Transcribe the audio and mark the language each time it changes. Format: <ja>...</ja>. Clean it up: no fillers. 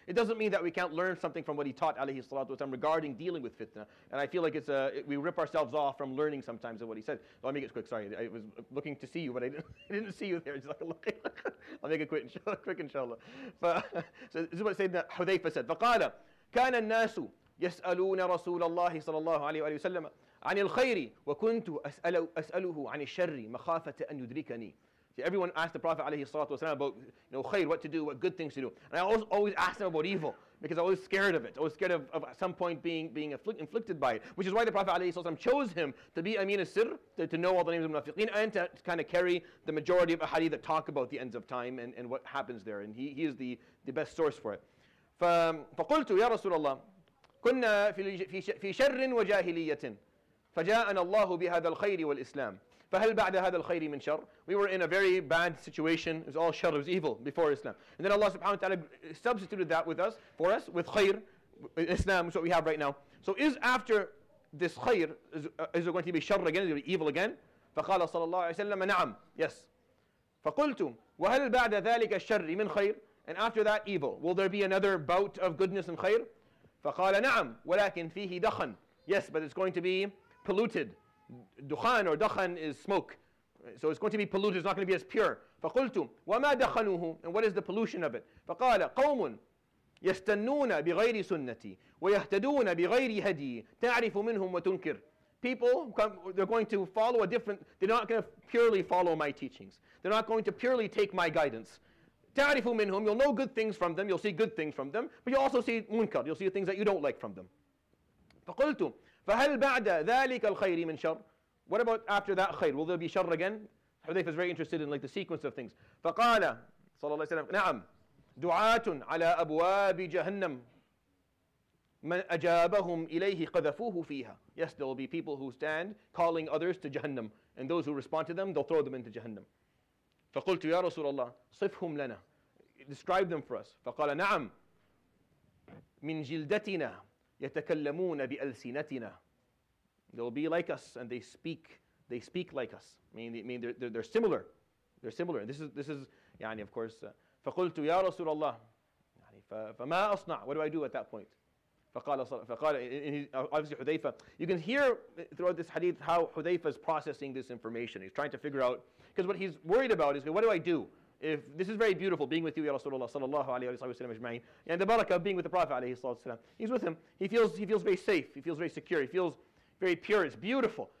<en>It doesn't mean that we can't learn something from what he taught, alayhi salatu wasalam, regarding dealing with fitna. And I feel like we rip ourselves off from learning sometimes of what he said. So I'll make it quick, sorry. I was looking to see you, but I didn't see you there. Just like looking. I'll make it quick, inshallah. So this is what Sayyidina Hudhayfa said.</en> <ar>فَقَالَ كَانَ النَّاسُ يسألون رسول الله صلى الله عليه وآله وسلم عن الخير وكنت أسأله عن الشر مخافة أن يدركني.</ar> <en>See, everyone asked the Prophet</en> <ar>عليه الصلاة والسلام</ar> <en>about khair, what to do, what good things to do. And I always asked him about evil because I was scared of it. I was scared of at some point being inflicted by it. Which is why the Prophet</en> <ar>عليه الصلاة والسلام</ar> <en>chose him to be Amin al-Sir, to know all the names of Munafiqeen and to kind of carry the majority of ahadith that talk about the ends of time and what happens there. And he is the best source for it.</en> <ar>فقلت يا رسول الله كنا في شر وجاهلية فجاءنا الله بهذا الخير والإسلام فهل بعد هذا الخير من شر.</ar> <en>We were in a very bad situation. It was all shar, it was evil before Islam. And then Allah subhanahu wa ta'ala substituted that for us with khair, Islam, which is what we have right now. So is after this khair, is it going to be shar again? Is it going to be evil again?</en> <ar>فقال صلى الله عليه وسلم نعم.</ar> <en>Yes.</en> <ar>فقلت وهل بعد ذلك الشر من خير.</ar> <en>And after that evil, will there be another bout of goodness and khair?</en> <ar>فَقَالَ نَعَمْ وَلَكِنْ فِيهِ دَخَنْ.</ar> <en>Yes, but it's going to be polluted. دُخَان or دَخَنْ is smoke. So it's going to be polluted, it's not going to be as pure.</en> <ar>فَقُلْتُ وَمَا دَخَنُهُ.</ar> <en>And what is the pollution of it?</en> <ar>فَقَالَ قَوْمٌ يَسْتَنُّونَ بِغَيْرِ سُنَّتِي وَيَهْتَدُونَ بِغَيْرِ هَدِي تَعْرِفُ مِنْهُمْ وَتُنْكِرْ.</ar> <en>People, they're going to follow a different, they're not going to purely follow my teachings. They're not going to purely take my guidance.</en> <ar>تَعْرِفُ مِنْهُمْ.</ar> <en>You'll know good things from them, you'll see good things from them, but you'll also see munkar, you'll see things that you don't like from them.</en> <ar>فَقُلْتُ فَهَلْ بَعْدَ ذَلِكَ الْخَيْرِ مِنْ شَرْ.</ar> <en>What about after that khair? Will there be shar again? Hudhayfa is very interested in like the sequence of things.</en> <ar>فَقَالَ صلى الله عليه وسلم نَعَمْ دُعَاتٌ عَلَىٰ أَبْوَابِ جَهَنَّمْ مَنْ أَجَابَهُمْ إِلَيْهِ قَذَفُوهُ فِيهَا.</ar> <en>Yes, there will be people who stand calling others to Jahannam, and those who respond to them, they'll throw them into Jahannam.</en> <ar>فقلت يا رسول الله صفهم لنا.</ar> <en>Describe them for us.</en> <ar>فقال نعم من جلدتنا يتكلمون بألسنتنا.</ar> <en>They'll be like us, and they speak like us. I mean they're similar. They're similar. And this is يعني of course.</en> <ar>فقلت يا رسول الله يعني فما أصنع.</ar> <en>What do I do at that point?</en> <ar>فقال</ar> <en>obviously</en> <ar>حذيفة.</ar> <en>You can hear throughout this hadith how حذيفة is processing this information. He's trying to figure out, because what he's worried about is, what do I do? If this is very beautiful, being with you, Ya Rasulullah, sallallahu alayhi wa sallam, ajma'in, and the barakah of being with the Prophet, alayhi wa sallam, he's with him. He feels very safe. He feels very secure. He feels very pure. It's beautiful.</en>